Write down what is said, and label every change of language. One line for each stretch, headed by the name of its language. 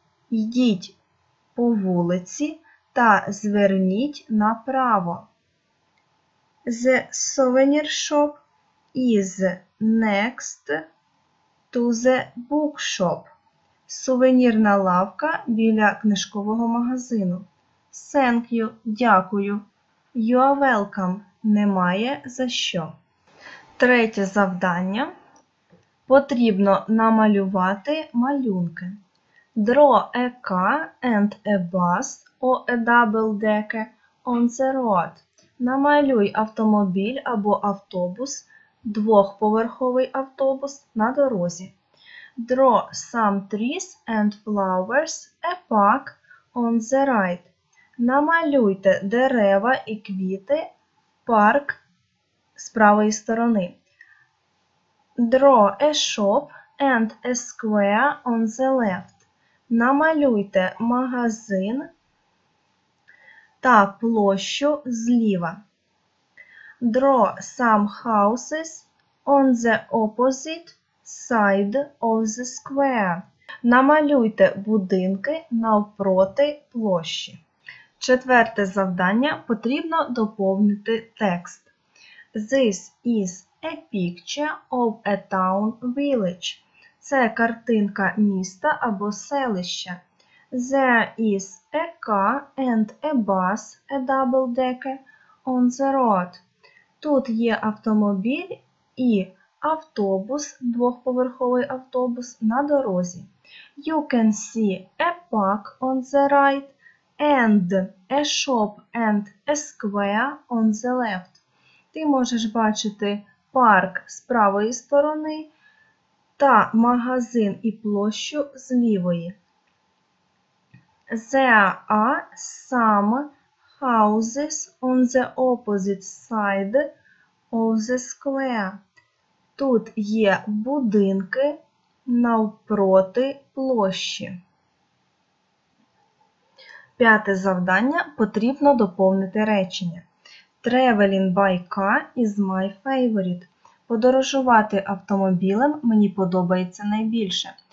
Ukrainian: Йдіть по вулиці та зверніть направо.
English: The souvenir shop is next to the bookshop.
Ukrainian: Сувенірна лавка біля книжкового магазину.
English: Thank you,
Ukrainian: дякую.
English: You are welcome.
Ukrainian: Немає за що. Третє завдання. Потрібно намалювати малюнки.
English: Draw a car and a bus or a double decker on the road.
Ukrainian: Намалюй автомобіль або автобус, двохповерховий автобус на дорозі.
English: Draw some trees and flowers, a park on the right.
Ukrainian: Намалюйте дерева і квіти, парк з правої сторони.
English: Draw a shop and a square on the left.
Ukrainian: Намалюйте магазин та площу зліва.
English: Draw some houses on the opposite side of the square.
Ukrainian: Намалюйте будинки навпроти площі. Четверте завдання – потрібно доповнити текст.
English: This is a picture of a town village.
Ukrainian: Це картинка міста або селища.
English: There is a car and a bus, a double decker, on the road.
Ukrainian: Тут є автомобіль і автобус, двохповерховий автобус, на дорозі.
English: You can see a park on the right. And a shop and a square on the left.
Ukrainian: Ти можеш бачити парк з правої сторони, та магазин і площу з лівої.
English: There are some houses on the opposite side of the square.
Ukrainian: Тут є будинки навпроти площі. П'яте завдання. Потрібно доповнити речення.
English: Traveling by car is my favorite.
Ukrainian: Подорожувати автомобілем мені подобається найбільше.